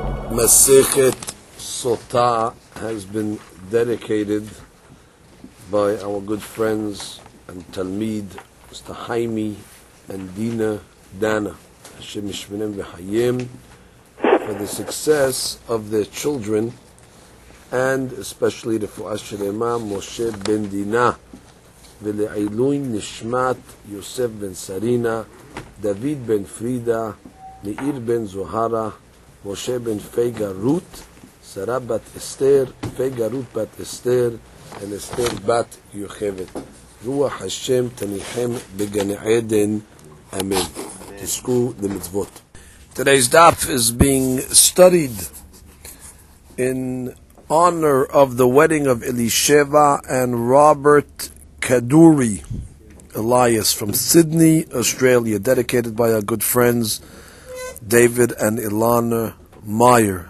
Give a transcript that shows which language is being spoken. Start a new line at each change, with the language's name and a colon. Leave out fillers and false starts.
English: Masechet Sota has been dedicated by our good friends and Talmid, Mr. Haimi and Dina Dana, Hashem Yishmonem V'Chayim, for the success of their children, and especially the Fu'as Shelema Moshe Ben Dina,
Hebrew: ולעילוי נשמת יוסף בן סרינה, דוד בן פרידה, נעיר בן זוהרה, משה בן פייגה רות, שרה בת אסתר, פייגה רות בת אסתר, אל אסתר בת יוכבת. רוח השם תניחם בגן עדן, אמן. תזכו למצוות.
English: Today's daf is being studied in honor of the wedding of Elisheva and Robert Kaduri Elias from Sydney, Australia, dedicated by our good friends David and Ilana Meyer.